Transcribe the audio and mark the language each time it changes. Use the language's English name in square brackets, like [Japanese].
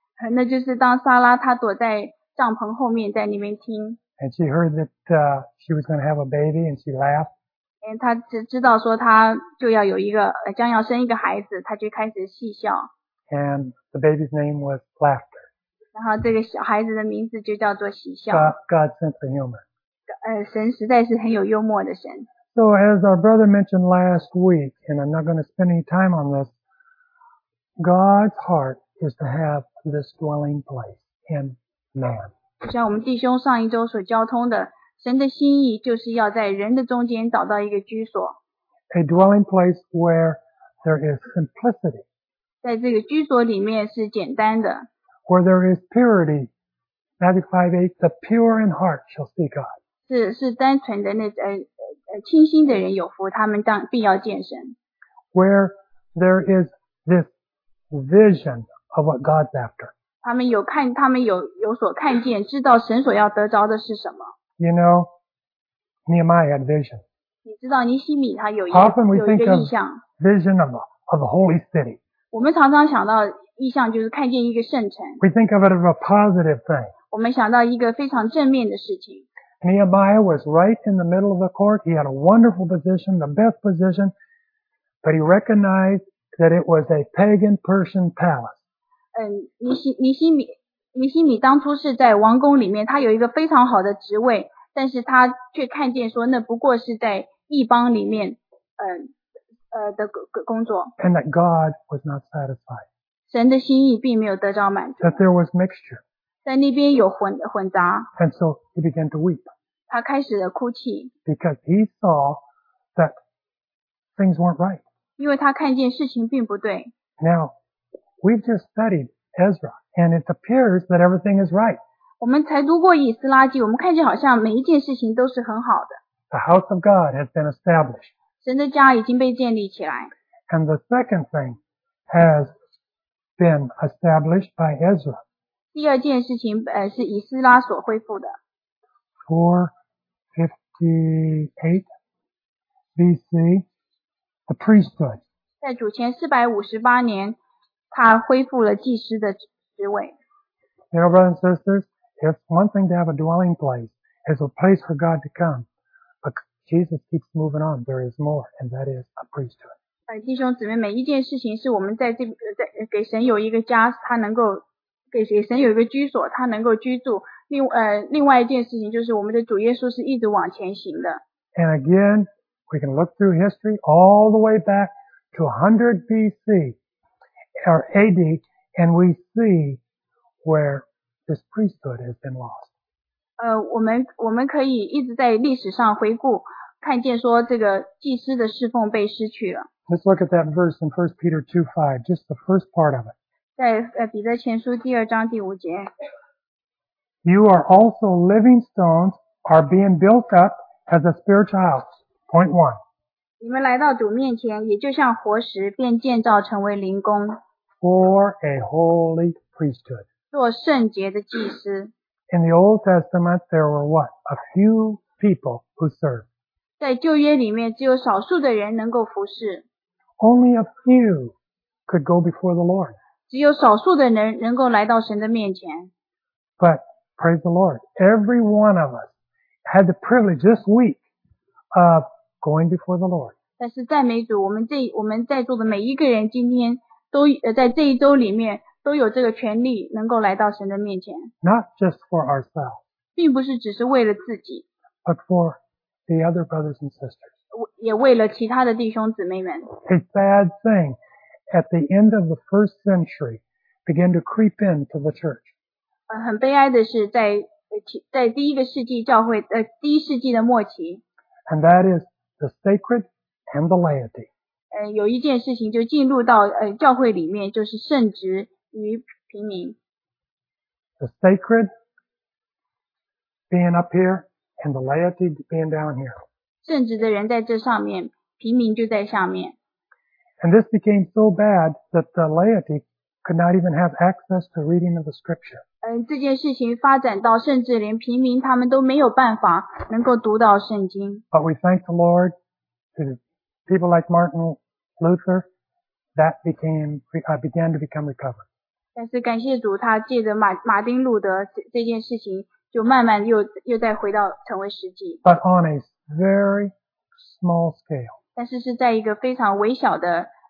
[Chinese] 那就是当撒拉她躲在帐篷后面在那边听。 [English] And she heard that she was going to have a baby, and she laughed. [Chinese] And 她知道说她就要有一个将要生一个孩子，她就开始戏笑。 [English] And the baby's name was Laughter. [Chinese] 然后这个小孩子的名字就叫做喜笑。 [English] God's sense of humor. [Chinese] 神实在是很有幽默的神。 [English] So as our brother mentioned last week, and I'm not going to spend any time on this, God's heart is to have this dwelling place in man. [Chinese] 就像我们弟兄上一周所交通的，神的心意就是要在人的中间找到一个居所。 [English] A dwelling place where there is simplicity. [Chinese] 在这个居所里面是简单的。 [English] Where there is purity. Matthew 5:8, the pure in heart shall see God. [Chinese] 是单纯的那清心的人有福，他们必要见神。 [English] Where there is this vision of what God's after. [Chinese] 他们有所看见，知道神所要得着的是什么。 [English] You know, Nehemiah had vision. [Chinese] 你知道尼希米他有一个意象。 [English] Often we think of vision of a holy city. [Chinese] 我们常常想到意象就是看见一个圣城。 [English] We think of it as a positive thing. [Chinese] 我们想到一个非常正面的事情。 [English] Nehemiah was right in the middle of the court. He had a wonderful position, the best position. But he recognized that it was a pagan Persian palace. [Chinese] 尼希米当初是在王宫里面，他有一个非常好的职位，但是他却看见说那不过是在异邦里面的工作。 [English] And that God was not satisfied. [Chinese] 神的心意并没有得着满足。 [English] That there was mixture. [Chinese] 在那边有混杂。 [English] And so he began to weep. [Chinese] 他开始了哭泣。 [English] Because he saw that things weren't right. [Chinese] 因为他看见事情并不对。 [English] Now,We've just studied Ezra, and it appears that everything is right. [Chinese] 我们才读过以斯拉记，我们看见好像每一件事情都是很好的。 [English] The house of God has been established. [Chinese] 神的家已经被建立起来。 [English] And the second thing has been established by Ezra. [Chinese] 第二件事情是以斯拉所恢复的。 [English] 458 BC, the priesthood. [Chinese] 在主前458年他恢复了祭司的职位。 [English] You know, brothers and sisters, it's one thing to have a dwelling place. It's a place for God to come. But Jesus keeps moving on. There is more, and that is a priesthood. [Chinese] 弟兄姊妹，每一件事情是我们在给神有一个家，他能够给神有一个居所，他能够居住。另外一件事情就是我们的主耶稣是一直往前行的。 [English] And again, we can look through history all the way back to 100 B.C. Or AD, and we see where this priesthood has been lost. [Chinese] 我们可以一直在历史上回顾，看见说这个祭司的侍奉被失去了。 [English] Let's look at that verse in 1 Peter 2:5, just the first part of it. [Chinese] 在彼得前书第二章第五节。 [English] You are also living stones, are being built up as a spiritual house. Point one. [Chinese] 你们来到主面前，也就像活石，便建造成为灵宫。 [English] For a holy priesthood. [Chinese] 做圣洁的祭司。 [English] In the Old Testament, there were what? A few people who served. [Chinese] 在旧约里面，只有少数的人能够服侍。 [English] Only a few could go before the Lord. [Chinese] 只有少数的人能够来到神的面前。 [English] But praise the Lord, every one of us had the privilege this week of. Going before the Lord. [Chinese] 但是赞美主，我们在座的每一个人今天都在这一周里面都有这个权利能够来到神的面前。 [English] Not just for ourselves. [Chinese] 并不是只是为了自己。 [English] But for the other brothers and sisters. [Chinese] 也为了其他的弟兄姊妹们。 [English] A bad thing at the end of the first century began to creep into the church. [Chinese] 很悲哀的是在第一个世纪教会第一世纪的末期。 [English] And that is the sacred and the laity. [Chinese] 有一件事情就进入到教会里面就是圣职与平民。 [English] The sacred being up here and the laity being down here. [Chinese] 圣职的人在这上面平民就在下面。 [English] And this became so bad that the laity could not even have access to reading of the scripture. [Chinese] 这件事情发展到甚至连平民他们都没有办法能够读到圣经。 [English] But we thank the Lord to people like Martin Luther that began to become recovered. [Chinese] 但是感谢主他借着 马丁路德这件事情就慢慢 又再回到成为实际。 [English] But on a very small scale. [Chinese] 但是是在一个非常微小的